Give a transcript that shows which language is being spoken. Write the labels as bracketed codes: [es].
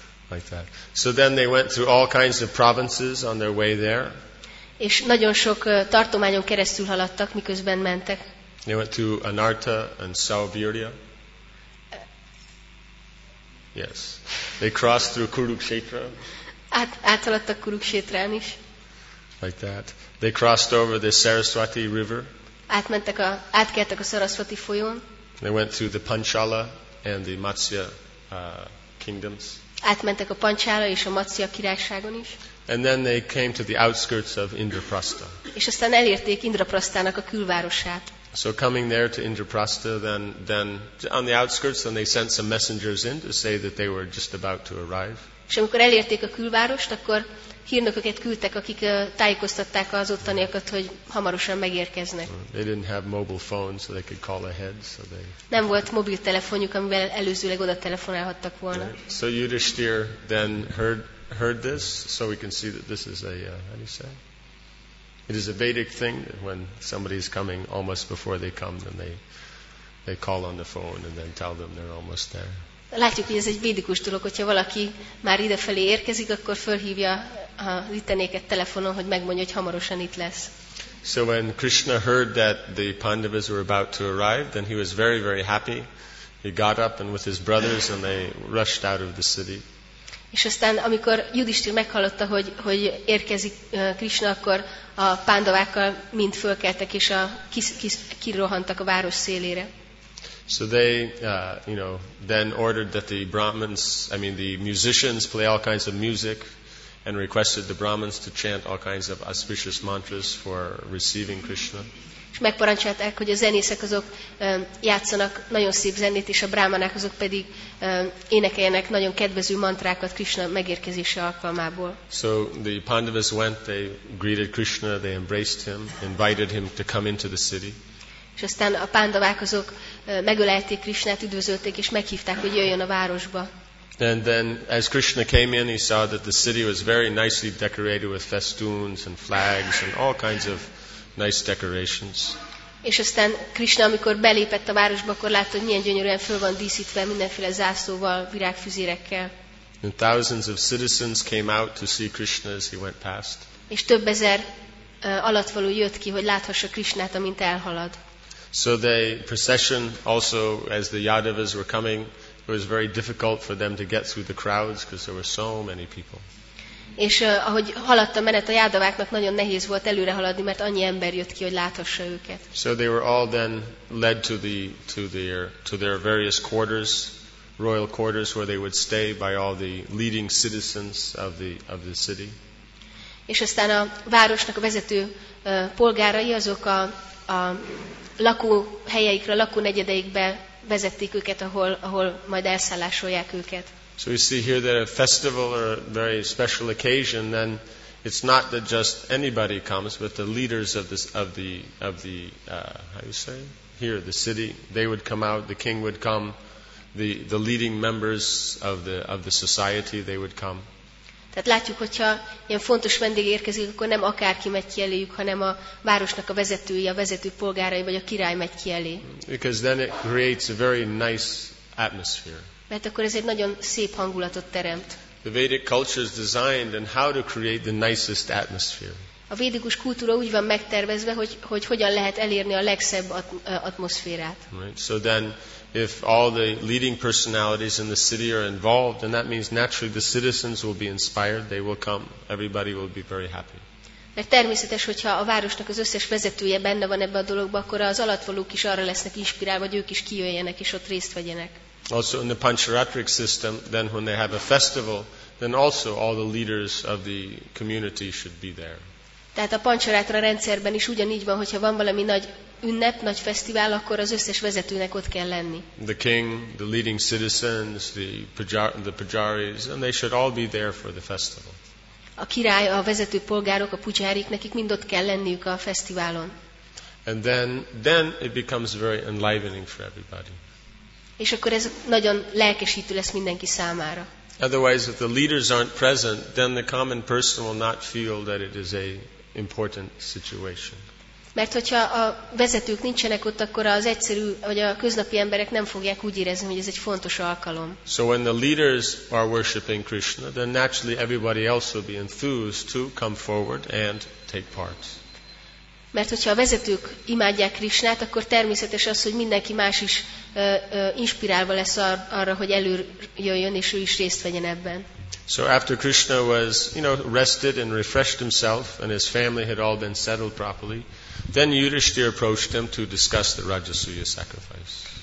[en] Like that. So then they went through all kinds of provinces on their way there. [hu] És nagyon sok tartományon keresztül haladtak, miközben mentek. [en] They went to Anarta and Sauvirya. Yes. They crossed through Kurukshetra. [hu] Áthaladtak Kurukshetrán is. [en] Like that. They crossed over the Saraswati River. [hu] Átkeltek a Saraswati folyón. [en] They went through the Panchala and the Matsya kingdoms. [hu] Átmentek a Panchala és a Matsya királyságon is. [en] And then they came to the outskirts of Indraprastha. [hu] És aztán elérték Indraprasztának a külvárosát. [en] So coming there to Indraprastha, then on the outskirts, then they sent some messengers in to say that they were just about to arrive. [hu] És amikor elérték a külvárost, akkor hírnököket küldtek, akik tájékoztatták az ottaniakat, hogy hamarosan megérkeznek. [en] They didn't have mobile phones, so they could call ahead, so they. [hu] Nem volt mobiltelefonjuk, amivel előzőleg oda telefonálhattak volna. [en] Right. So Yudhishthir then heard this, so we can see that this is a how do you say? It is a Vedic thing that when somebody is coming almost before they come, then they call on the phone and then tell them they're almost there. [hu] Látjuk, hogy ez egy védikus dolog, hogyha valaki már idefelé érkezik, akkor fölhívja a ittenéket telefonon, hogy megmondja, hogy hamarosan itt lesz. [en] So when Krishna heard that the Pandavas were about to arrive, then he was very, very happy. He got up and with his brothers and they rushed out of the city. [hu] És aztán, amikor Yudhishthir meghallotta, hogy érkezik Krishna, akkor a Pandavákkal mind fölkeltek és kirohantak a város szélére. [en] So they, then ordered that the musicians play all kinds of music and requested the Brahmins to chant all kinds of auspicious mantras for receiving Krishna. [hu] És megparancsolták, hogy a zenészek azok játszanak nagyon szép zenét, és a brahmanák azok pedig énekeljenek nagyon kedvező mantrákat Krishna megérkezése alkalmából. [en] So the Pandavas went, they greeted Krishna, they embraced him, invited him to come into the city. [hu] És aztán a Pandavák azok megölelték Krishnát, üdvözölték és meghívták, hogy jöjjön a városba. [en] And then as Krishna came in, he saw that the city was very nicely decorated with festoons and flags and all kinds of nice decorations. [hu] És aztán Krishna, amikor belépett a városba, akkor látta, hogy milyen gyönyörűen föl van díszítve mindenféle zászlóval, virágfüzérekkel. [en] And thousands of citizens came out to see Krishna as he went past. [hu] És több ezer alattvaló jött ki, hogy láthassa Krishnát, amint elhalad. [en] So the procession also, as the Yadavas were coming, it was very difficult for them to get through the crowds because there were so many people. [hu] És ahogy haladt a menet, a Yadaváknak nagyon nehéz volt előre haladni, mert annyi ember jött ki, hogy láthassa őket. [en] So they were all then led to their various quarters, royal quarters, where they would stay by all the leading citizens of the city. [hu] És aztán a városnak a vezető polgárai azok a lakóhelyeikre, lakónegyedeikbe vezették őket, ahol majd elszállásolják őket. [en] So we see here that a festival or a very special occasion, then it's not that just anybody comes, but the leaders the city, they would come out, the king would come, the leading members of the society, they would come. [hu] Tehát látjuk, hogyha ilyen fontos vendég érkezik, akkor nem akárki megy ki eléjük, hanem a városnak a vezetői, a vezető polgárai vagy a király megy ki elé. [en] Because then it creates a very nice atmosphere. [hu] Mert akkor ez egy nagyon szép hangulatot teremt. [en] The Vedic culture is designed and how to create the nicest atmosphere. [hu] A védikus kultúra úgy van megtervezve, hogy hogyan lehet elérni a legszebb atmoszférát. [en] Right. So then if all the leading personalities in the city are involved, then that means naturally the citizens will be inspired, they will come, everybody will be very happy. [hu] Mert természetes, hogyha a városnak az összes vezetője benne van ebbe a dologba, akkor az alattvalók is arra lesznek inspirálva, hogy ők is kijöjjenek és ott részt vegyenek. [en] Also in the Pancharatrik system, then when they have a festival, then also all the leaders of the community should be there. [hu] Tehát a pancsarátra rendszerben is ugyanígy van, hogyha van valami nagy ünnep, nagy fesztivál, akkor az összes vezetőnek ott kell lenni. [en] The king, the leading citizens, the pujaris, and they should all be there for the festival. [hu] A király, a vezető polgárok, a pujárik, nekik mind ott kell lenniük a fesztiválon. [en] And then it becomes very enlivening for everybody. [hu] És akkor ez nagyon lelkesítő lesz mindenki számára. [en] Otherwise, if the leaders aren't present, then the common person will not feel that it is a important situation. [hu] Mert hogyha a vezetők nincsenek ott, akkor az egyszerű, vagy a köznapi emberek nem fogják úgy érezni, hogy ez egy fontos alkalom. [en] So when the leaders are worshiping Krishna, then naturally everybody else will be enthused to come forward and take part. [hu] Mert hogyha a vezetők imádják Krisnát, akkor természetes az, hogy mindenki más is inspirálva lesz arra, hogy előjöjjön és ő is részt vegyen ebben. [en] So after Krishna was, you know, rested and refreshed himself and his family had all been settled properly, then Yudhishthira approached him to discuss the Rajasuya sacrifice.